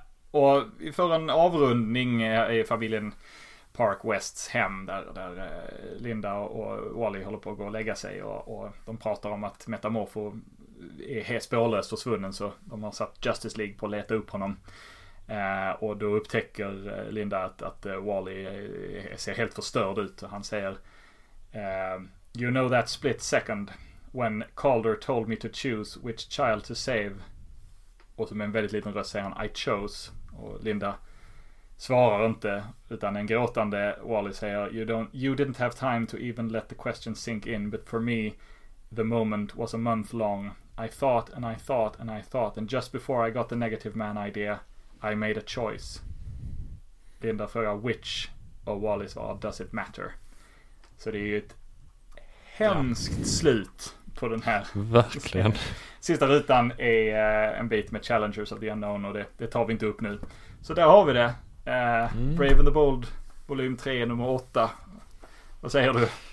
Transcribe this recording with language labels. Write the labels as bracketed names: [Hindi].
[Swedish] Och vi får en avrundning i familjen Park Wests hem där Linda och Wally håller på att gå och lägga sig och de pratar om att Metamorfo är helt spårlöst försvunnen, så de har satt Justice League på att leta upp honom. Och då upptäcker Linda att Wally ser helt förstörd ut. Och han säger, [English] you know that split second when Calder told me to choose which child to save. [Swedish] Och som en väldigt liten röst säger han, [English] I chose. [Swedish] Och Linda svarar inte, utan en gråtande Wally säger, [English] you didn't have time to even let the question sink in, but for me the moment was a month long. I thought and I thought and I thought, and just before I got the Negative Man idea, I made a choice. [Swedish] Linda frågar [English] which of Wallis var, does it matter? [Swedish] Så det är ju ett hemskt slut på den här. Verkligen. Sista rutan är en bit med Challengers of the Unknown och det tar vi inte upp nu. Så där har vi det. Brave and the Bold, volym 3, nummer 8. Vad säger du?